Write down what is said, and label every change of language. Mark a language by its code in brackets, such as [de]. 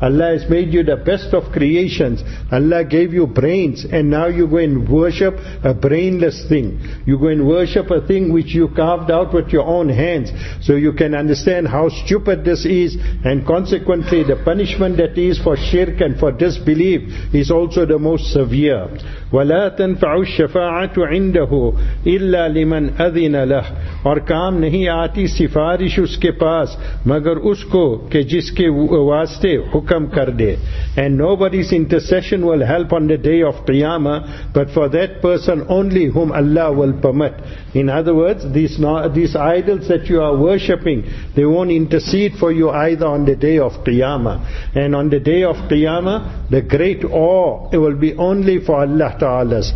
[en] Allah has made you the best of creations. Allah gave you brains, and now you go and worship a brainless thing. You go and worship a thing which you carved out with your own hands. So you can understand how stupid this is, and consequently the punishment that is for shirk and for disbelief is also the most severe. [ar] ولا تنفع الشفاعة عنده إلا لمن أذن له. [ur] اور کام نہیں آتی سفارش اس کے پاس مگر اس کو کہ جس کے واسطے حکم کر دے. [en] And nobody's intercession will help on the day of Qiyamah but for that person only whom Allah will permit. In other words, these idols that you are worshipping, they won't intercede for you either on the day of Qiyamah. And on the day of Qiyamah, the great awe, it will be only for Allah Ta'ala's.